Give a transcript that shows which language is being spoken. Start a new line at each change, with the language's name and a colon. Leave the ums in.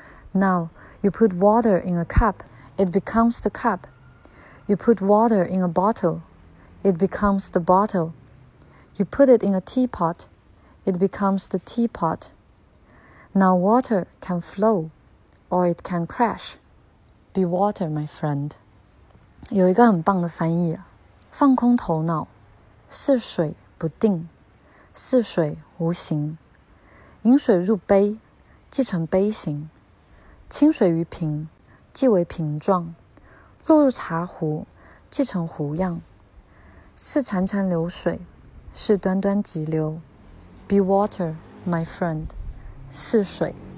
English: Now you put water in a cup, it becomes the cup. You put water in a bottle, it becomes the bottle. You put it in a teapot, it becomes the teapot. Now water can flow, or it can crash. Be water, my friend.”
Chinese: 有一个很棒的翻译、啊，放空头脑。似水不定，似水无形。饮水入杯，即成杯形；清水于瓶，即为瓶状；落入茶壶，即成壶样。似潺潺流水，是端端急流。
English: Be water, my friend，
Chinese: 似水。